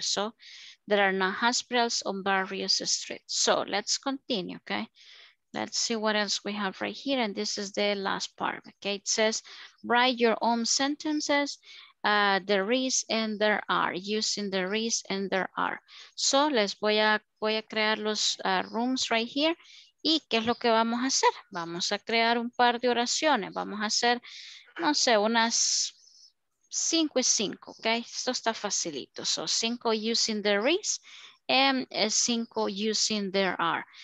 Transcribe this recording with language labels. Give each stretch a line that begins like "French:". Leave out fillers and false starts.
English: So there are no hospitals on Barrio Street. So let's continue. Okay. Let's see what else we have right here. And this is the last part. Okay. It says, write your own sentences. There is and there are, using there is and there are.
Spanish: So, les voy a crear los rooms
English: right here.
Spanish: ¿Y qué es lo que vamos a hacer? Vamos a crear un par de oraciones. Vamos a hacer, no sé, unas 5 y 5, ¿ok? Esto está facilito.
English: So, 5 using there is and 5 using there are.